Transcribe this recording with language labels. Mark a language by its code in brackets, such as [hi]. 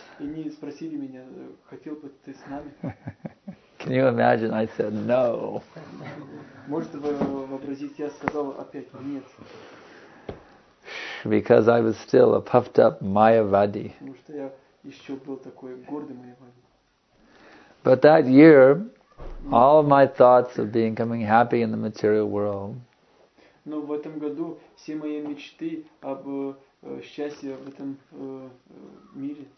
[ru] И они спросили меня, хотел бы ты с нами? [en] Can you imagine? I said no. [ru] Можете вы вообразить, я сказал опять нет. [en] Because I was still a puffed up Mayavadi. [ru] Потому что я еще был такой гордый Mayavadi. [en] But that year, all of my thoughts of becoming happy in the material world. [ru] Но в этом году все мои мечты об счастье в этом мире